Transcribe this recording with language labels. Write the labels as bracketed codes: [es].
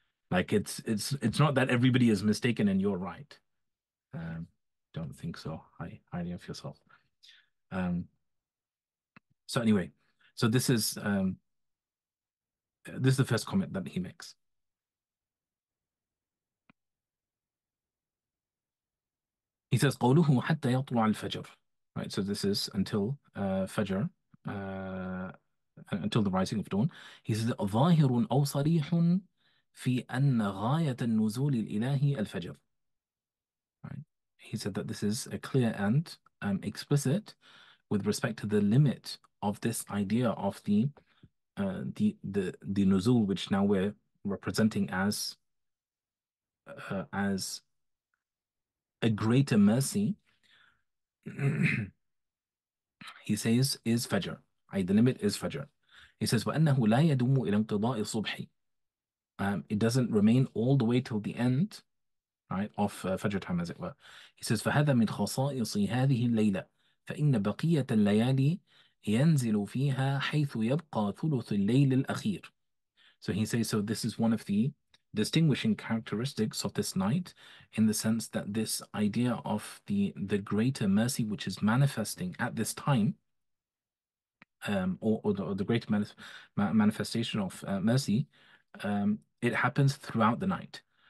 [en] Like, it's not that everybody is mistaken and you're right. Don't think so. Highly of yourself. So anyway, so this is... this is the first comment that he makes. He says, [ar] قَوْلُهُ حَتَّى يَطْلُعَ الْفَجْرِ. [en] Right, so this is until Fajr, until the rising of dawn. He says, [ar] ظَاهِرٌ أَوْ صَرِيحٌ فِي أَنَّ غَايَةَ النُّزُولِ الْإِلَهِ الْفَجْرِ. [en] Right. He said that this is a clear and explicit with respect to the limit of this idea of the nuzul, which now we're representing as a greater mercy, he says, is Fajr. The limit is Fajr. He says, [ar] وَأَنَّهُ لَا يَدُومُ إِلَى انْقِضَاءِ الصُّبْحِ. [en] It doesn't remain all the way till the end, right, of Fajr time, as it were. He says, [ar] فَهَذَا مِنْ خَصَائِصِ هَذِهِ اللَّيْلَةِ فَإِنَّ بَقِيَّةَ اللَّيَالِي يَنْزِلُ فِيهَا حَيْثُ يَبْقَى ثُلُثُ اللَّيْلِ الْأَخِيرِ. [en] So he says, so this is one of the distinguishing characteristics of this night, in the sense that this idea of the greater mercy which is manifesting at this time, or the great manifestation of mercy, it happens throughout the night.